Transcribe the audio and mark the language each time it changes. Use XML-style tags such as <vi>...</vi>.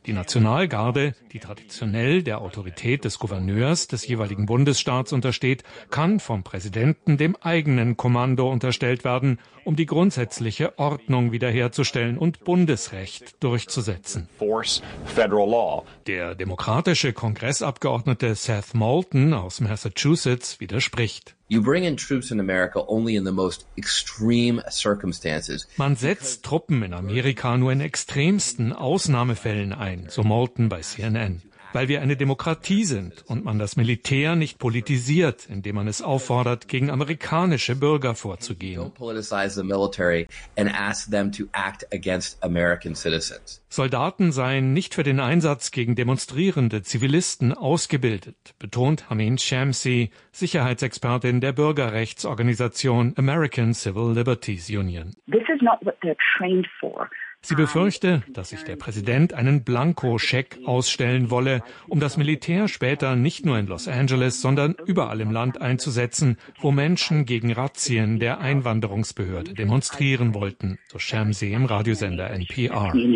<de>Die Nationalgarde, die traditionell der Autorität des Gouverneurs des jeweiligen Bundesstaats untersteht, kann vom Präsidenten dem eigenen Kommando unterstellt werden, um die grundsätzliche Ordnung wiederherzustellen und Bundesrecht durchzusetzen.</de> <en>Force federal law.</en> <de>Der demokratische Kongressabgeordnete Seth Moulton aus Massachusetts widerspricht.</de> <en>You bring in troops in America only in the most extreme circumstances.</en> <de>Man setzt Truppen in Amerika nur in extremsten Ausnahmefällen ein, so Moulton bei CNN. Weil wir eine Demokratie sind und man das Militär nicht politisiert, indem man es auffordert, gegen amerikanische Bürger vorzugehen.</de> <en>Don't politicize the military and ask them to act against American citizens.</en> <de>Soldaten seien nicht für den Einsatz gegen demonstrierende Zivilisten ausgebildet, betont Hameen Shamsi, Sicherheitsexpertin der Bürgerrechtsorganisation American Civil Liberties Union.</de> <en>This is not what they're trained for.</en> <de>Sie befürchte, dass sich der Präsident einen Blankoscheck ausstellen wolle, um das Militär später nicht nur in Los Angeles, sondern überall im Land einzusetzen, wo Menschen gegen Razzien der Einwanderungsbehörde demonstrieren wollten, so Shamsi im Radiosender NPR.</de>